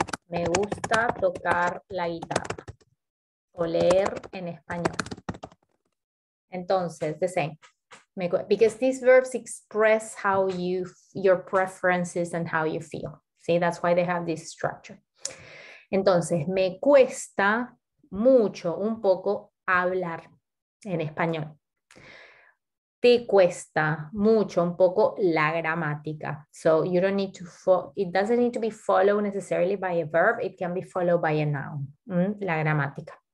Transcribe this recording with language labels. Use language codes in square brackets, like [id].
[es] Me gusta tocar la guitarra o leer en español. [en] Entonces, the same. Because these verbs express how you, your preferences and how you feel. See, that's why they have this structure. [es] Entonces, me cuesta mucho, un poco, hablar en español. Te cuesta mucho un poco la gramática. [en] So you don't need to follow, it doesn't need to be followed necessarily by a verb, it can be followed by a noun, la gramática.